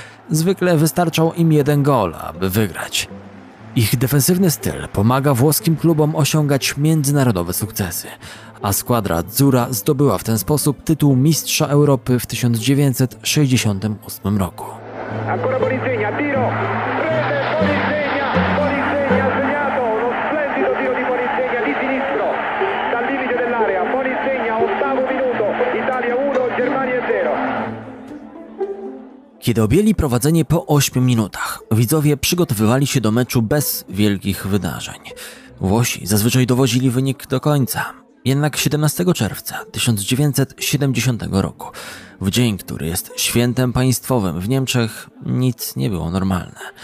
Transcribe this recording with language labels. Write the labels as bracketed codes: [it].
[pl] Zwykle wystarczał im jeden gol, aby wygrać. Ich defensywny styl pomaga włoskim klubom osiągać międzynarodowe sukcesy, a squadra Azzurra zdobyła w ten sposób tytuł Mistrza Europy w 1968 roku. [it] Ancora Polizegna, tiro, prende Polizegna, Polizegna segnato, uno splendido tiro di Polizegna di sinistro, dal limite dell'area, Polizegna, 8 minuto, Italia 1, Germania 0. [pl] Kiedy objęli prowadzenie po 8 minutach, widzowie przygotowywali się do meczu bez wielkich wydarzeń. Włosi zazwyczaj dowodzili wynik do końca. Jednak 17 czerwca 1970 roku, w dzień, który jest świętem państwowym w Niemczech, nic nie było normalne.